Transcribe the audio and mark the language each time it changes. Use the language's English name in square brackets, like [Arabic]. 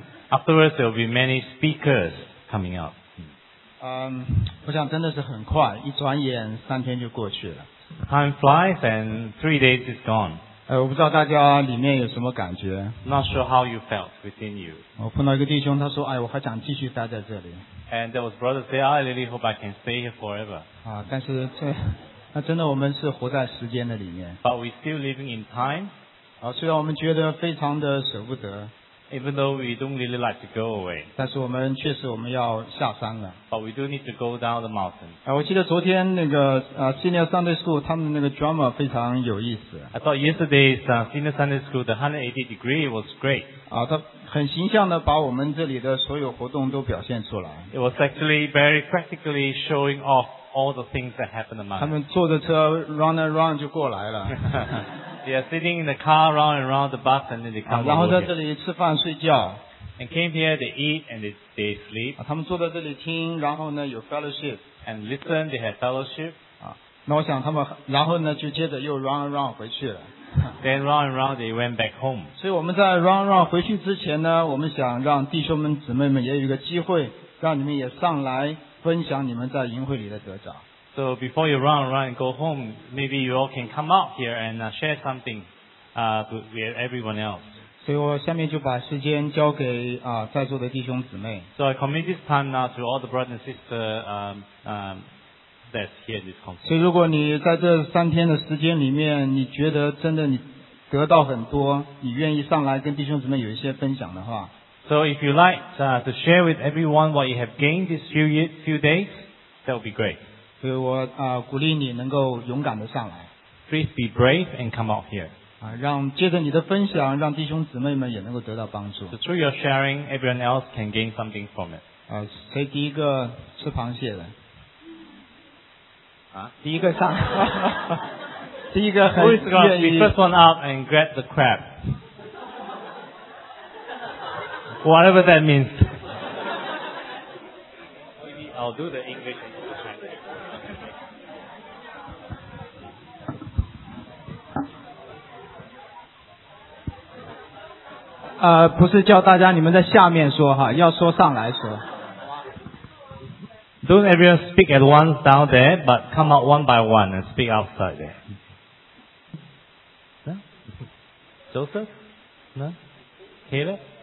[English] Afterwards, there will be many speakers coming up. [Chinese] 我想真的是很快，一转眼三天就过去了。 [English] Time flies and 3 days is gone. [Chinese] 我不知道大家里面有什么感觉。 [English] Not sure how you felt within you. [Chinese] 我碰到一个弟兄，他说：“哎，我还想继续待在这里。” [English] And there was brother say, "I really hope I can stay here forever." [Chinese] 啊，但是这。那真的我们是活在时间的里面。 [English] But we still living in time. [Chinese] 好，虽然我们觉得非常的舍不得。 [English] Even though we don't really like to go away. [Chinese] 但是我们确实我们要下山了。 [English] But we do need to go down the mountain. [Chinese] 我记得昨天那个Senior Sunday School 他们那个 drama 非常有意思。 [English] I thought yesterday's Senior Sunday School the 180 degree was great. [Chinese] 他很形象的把我们这里的所有活动都表现出来。 [English] It was actually very practically showing off. All the things that happened among us. [Chinese] 他们坐着车 [English] run and run [Chinese] 就过来了。 [English] They are sitting in the car round and round the bus and then they come. [Chinese] 然后在这里吃饭睡觉。 [English] And came here to eat and they sleep. [Chinese] 他们坐在这里听，然后呢有 fellowship. [English] And listen, they have fellowship. [Chinese] 那我想他们，然后呢就接着又 [English] run and run [Chinese] 回去了。 [English] Then run and run they went back home. [Chinese] 所以我们在 [English] run and run [Chinese] 回去之前呢，我们想让弟兄们姊妹们也有一个机会，让你们也上来。分享你们在营会里的得着。 [English] So before you run around and go home, maybe you all can come out here and share something with everyone else. [Chinese] 所以我下面就把时间交给在座的弟兄姊妹。 [English] So I commit this time now to all the brothers and sisters that's here in this conference. [Chinese] 所以如果你在这三天的时间里面，你觉得真的你得到很多，你愿意上来跟弟兄姊妹有一些分享的话。 [English] So if you like to share with everyone what you have gained these few days, that would be great. [Chinese] 所以我鼓励你能够勇敢的上来。 [English] Please be brave and come out here. [Chinese] 让接着你的分享，让弟兄姊妹们也能够得到帮助。 [English] So through your sharing, everyone else can gain something from it. [Chinese] 谁第一个吃螃蟹的？啊，第一个上，第一个很愿意。 [English] Who is going to be first one up and grab the crab? Whatever that means. Maybe I'll do the English and the Chinese. Okay. [Chinese] 不是叫大家你们在下面说哈，要说上来说。 [English] Don't everyone speak at once down there, but come out one by one and speak outside there. Joseph? No? Caleb?